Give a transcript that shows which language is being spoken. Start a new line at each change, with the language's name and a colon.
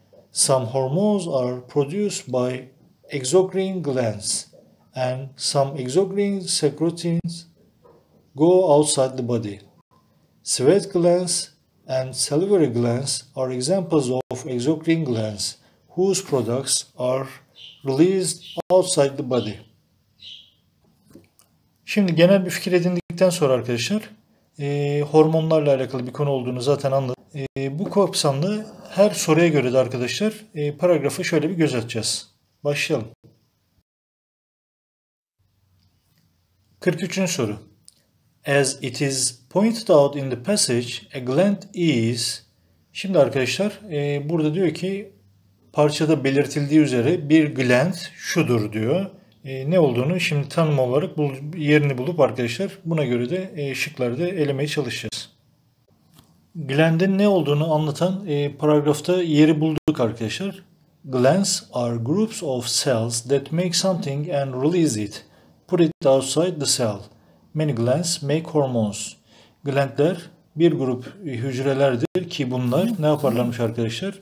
English: Some hormones are produced by exocrine glands, and some exocrine secretions go outside the body. Sweat glands and salivary glands are examples of exocrine glands whose products are released outside the body.
Turkish: Şimdi genel bir fikir edindikten sonra arkadaşlar, hormonlarla alakalı bir konu olduğunu zaten anladık. Bu kapsamda her soruya göre de arkadaşlar paragrafı şöyle bir göz atacağız. Başlayalım. 43. soru.
English: As it is pointed out in the passage, a gland is...
Turkish: Şimdi arkadaşlar burada diyor ki parçada belirtildiği üzere bir gland şudur diyor. Ne olduğunu şimdi tanım olarak yerini bulup arkadaşlar buna göre de şıkları da elemeye çalışacağız. Gland'in ne olduğunu anlatan paragrafta yeri bulduk arkadaşlar.
English: Glands are groups of cells that make something and release it. Put it outside the cell. Many glands make hormones.
Turkish: Glandler bir grup hücrelerdir ki bunlar ne yaparlarmış arkadaşlar?